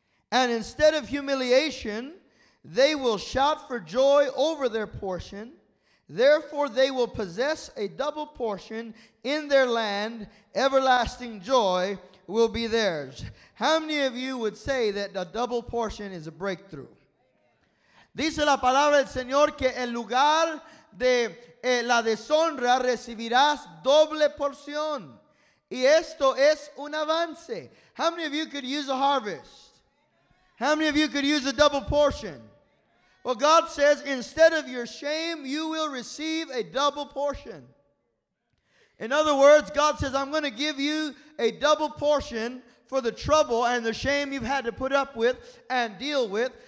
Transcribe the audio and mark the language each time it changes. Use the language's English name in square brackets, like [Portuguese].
[English] And instead of humiliation, they will shout for joy over their portion. Therefore, they will possess a double portion in their land. Everlasting joy will be theirs. How many of you would say that the double portion is a breakthrough? [Spanish] Dice la palabra del Señor que en lugar de la deshonra recibirás doble porción. Y esto es un avance. [English] How many of you could use a harvest? How many of you could use a double portion? Well, God says, instead of your shame, you will receive a double portion. In other words, God says, I'm going to give you a double portion for the trouble and the shame you've had to put up with and deal with.